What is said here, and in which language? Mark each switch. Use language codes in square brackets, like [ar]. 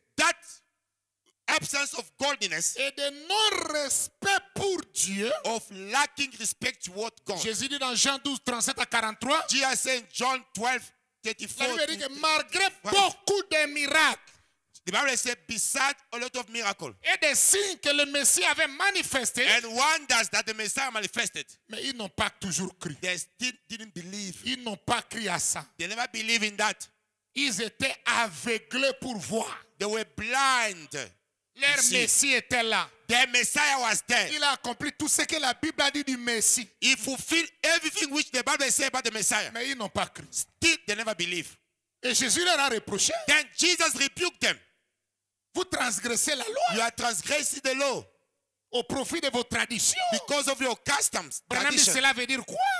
[en] that absence of godliness, [fr] et de non-respect pour Dieu, [en] of lacking respect toward God. [fr] Jésus dit dans Jean 12, 37 à 43, [en] Jesus said in John 12, 34, [fr] la Bible dit que malgré beaucoup de miracles, [en] the Bible said, besides a lot of miracles, [fr] et des signes que le Messie avait manifestés, [en] and wonders that the Messiah manifested, [fr] mais ils n'ont pas toujours cru. [en] They still didn't believe. [fr] Ils n'ont pas cru à ça. [en] They never believed in that. [fr] Ils étaient aveuglés pour voir. [en] They were blind. [fr] Leur Messie était là. [en] Their Messiah was there. [fr] Il a accompli tout ce que la Bible a dit du Messie. [en] He fulfilled everything which the Bible said about the Messiah. [fr] Mais ils n'ont pas cru. [en] Still, they never believed. [fr] Et Jésus leur a reproché. [en] Then Jesus rebuked them. [fr] Vous transgressez la loi. [en] You are transgressing the law. [fr] Au profit de vos traditions. [en] Because of your customs. [fr] Branham, cela veut dire quoi?